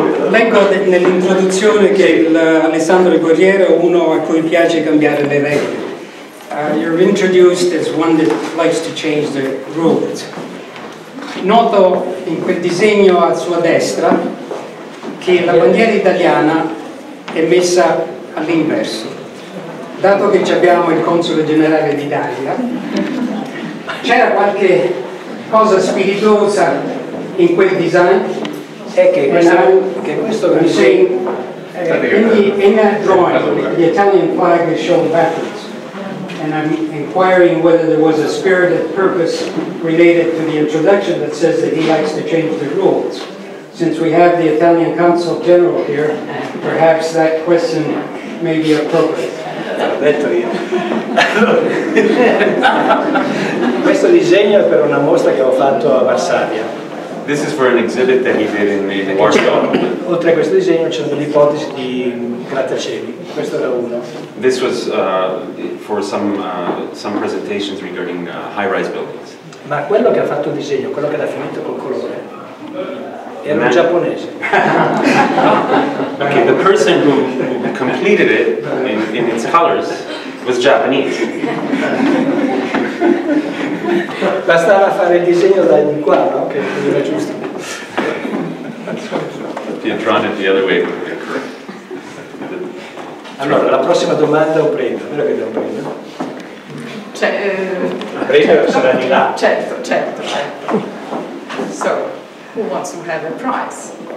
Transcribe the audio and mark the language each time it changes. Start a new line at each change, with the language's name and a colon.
Italian: Leggo nell'introduzione che Alessandro Guerriero è uno a cui piace cambiare le regole.
English: You're introduced as one that likes to change the rules.
Italian: Noto in quel disegno a sua destra che la bandiera italiana è messa all'inverso. Dato che abbiamo il console generale d'Italia, c'era qualche cosa spiritosa in quel design? Che questo mi sembra.
English: In the drawing, the Italian flag is shown backwards. and I'm inquiring whether there was a spirited purpose related to the introduction that says that he likes to change the rules. Since we have the Italian Consul General here, perhaps that question may be appropriate.
Italian: Detto io. Questo disegno è per una mostra che ho fatto a Varsavia.
English: This is for an exhibit that he did in Warsaw.
Italian: Oltre a questo disegno c'è un'ipotesi di grattacieli. Questo era uno.
English: This was for some presentations regarding high-rise buildings.
Italian: Ma quello che ha fatto il disegno, quello che l'ha finito col colore, era un giapponese.
English: Okay, the person who completed it in its colors was Japanese.
Italian: Bastava fare il disegno da di qua, no? Che era giusto.
English: If you had drawn it the other way, it would be correct.
Italian: Allora, la prossima domanda o premio? Spero che dia un premio. Cioè, il premio sarà di là. Certo, certo, certo.
English: So, who wants to have a prize?